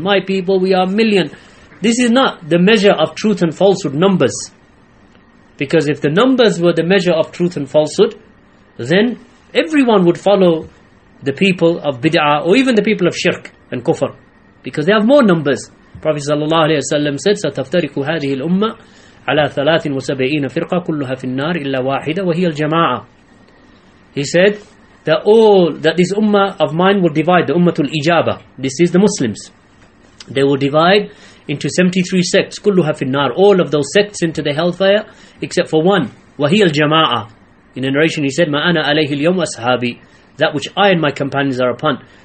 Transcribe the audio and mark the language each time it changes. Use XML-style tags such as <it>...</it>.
<en>My people, we are a million. This is not the measure of truth and falsehood, numbers. Because if the numbers were the measure of truth and falsehood, then everyone would follow the people of bid'ah, or even the people of shirk and kufr, because they have more numbers. Prophet sallallahu alaihi wasallam said,</en> <ar>سَتَفْتَرِكُ هَذِهِ الْأُمَّةِ عَلَى 73 فِرْقَةٍ كُلُّهَا فِي النَّارِ إِلَّا وَاحِدَةٍ وَهِيَ الْجَمَاعَةِ.</ar> <en>He said that all, that this ummah of mine will divide, the ummatul ijaba, this is the Muslims, they will divide into 73 sects,</en> <ar>كُلُّهَا فِي النَّارِ,</ar> <en>all of those sects into the hellfire, except for one,</en> <ar>وَهِيَ الْجَمَاعَةِ.</ar> <en>In a narration he said,</en> <ar>مَا أَنَا عَلَيْهِ الْيَوْمَ أَصْحَابِي,</ar> <en>that which I and my companions are upon.</en>